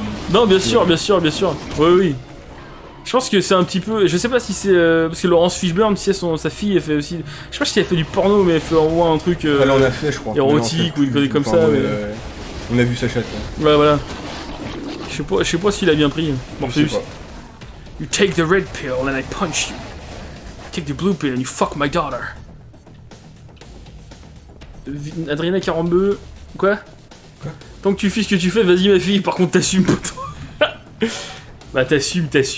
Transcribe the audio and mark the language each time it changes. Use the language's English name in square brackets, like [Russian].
[French] Non, bien sûr. Oui. Je pense que c'est un petit peu... Je sais pas si c'est... parce que Laurence Fishburne, si sa fille, elle fait aussi... Je sais pas si elle fait du porno, mais elle fait au moins un truc... Elle en a fait, je crois. Érotique, ou une connerie comme ça, mais... On a vu sa chatte, ouais. Ouais, voilà. Je sais pas s'il a bien pris. Bon, c'est juste... [English] You take the red pill and I punch you. Take the blue pill and you fuck my daughter. [French] Adriana Carambeu... Quoi? Tant que tu fais ce que tu fais, vas-y ma fille, par contre t'assumes pour toi. Bah t'assumes...